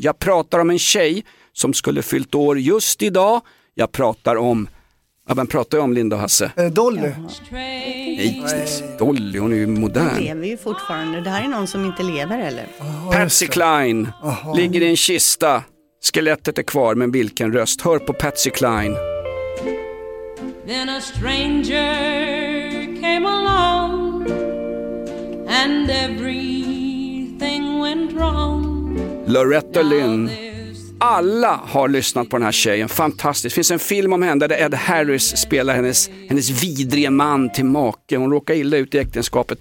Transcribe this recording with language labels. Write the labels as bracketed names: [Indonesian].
[Swedish] Jag pratar om en tjej som skulle fyllt år just idag. Jag pratar om... Ja, vem pratar jag om, Linda och Hasse? Dolly. Nej, Dolly, hon är ju modern. Hon lever ju fortfarande. Det här är någon som inte lever, eller? Patsy Cline ligger i en kista. Skelettet är kvar, men vilken röst. Hör på Patsy Cline. [English] Then a stranger came along and everything went wrong. [Swedish] Loretta Lynn. Alla har lyssnat på den här tjejen. Fantastiskt. Finns en film om henne där Ed Harris spelar hennes vidrige man till make. Hon råkar illa ut i äktenskapet.